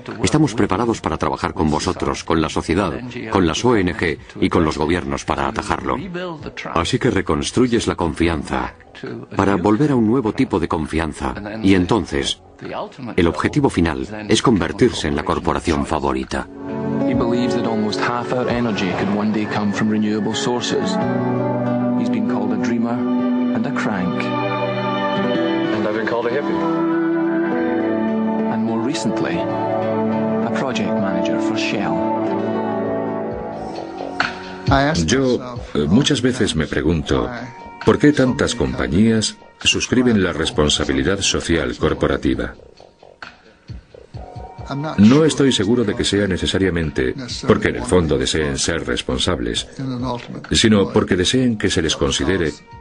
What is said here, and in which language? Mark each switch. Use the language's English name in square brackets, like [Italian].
[Spanish] Estamos preparados para trabajar con vosotros, con la sociedad, con las ONG y con los gobiernos para atajarlo. Así que reconstruyes la confianza para volver a un nuevo tipo de confianza. Y entonces, el objetivo final es convertirse en la corporación favorita. [English] He believes that almost half our energy could one day come from renewable sources. He's been called a dreamer and a crank. And I've been called a hippie. And more recently, a project manager for Shell. [Spanish] Yo muchas veces me pregunto, ¿por qué tantas compañías suscriben la responsabilidad social corporativa? No estoy seguro de que sea necesariamente porque en el fondo deseen ser responsables, sino porque deseen que se les considere